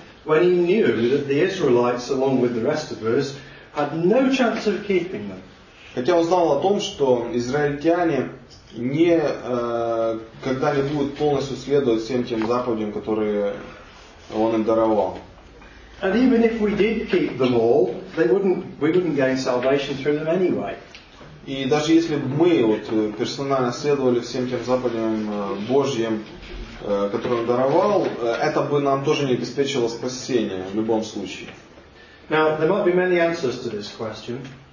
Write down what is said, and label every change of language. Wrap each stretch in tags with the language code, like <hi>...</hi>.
<en>When he knew that the Israelites, along with the rest of us, had no chance of keeping them.</en> <ru>Хотя он знал о том, что израильтяне не когда-либо будут полностью следовать всем тем заповедям, которые он им даровал.</ru> <en>And even if we did keep them all, we wouldn't gain salvation through them anyway.</en> <ru>И даже если бы мы вот персонально следовали всем тем заповедям Божьим, которые он даровал, это бы нам тоже не обеспечило спасение в любом случае.</ru> <en>Now there might be many answers to this question.</en>